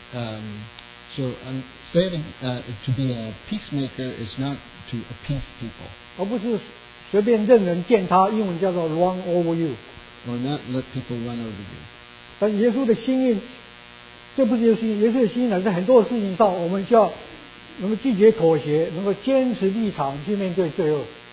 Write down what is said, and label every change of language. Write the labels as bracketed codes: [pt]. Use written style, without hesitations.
[zh] 我们在说，人何物不是要姑息或单纯让步？姑息就是appease，就是。 [en] To be a peacemaker is not to appease people. [zh] 而不是随便任人践踏，英文叫做 [en] run over you. Or not let people run over you. [zh] 但耶稣的心意，这不是耶稣心意，耶稣的心意乃是很多事情上，我们就要能够拒绝妥协，能够坚持立场，去面对罪恶。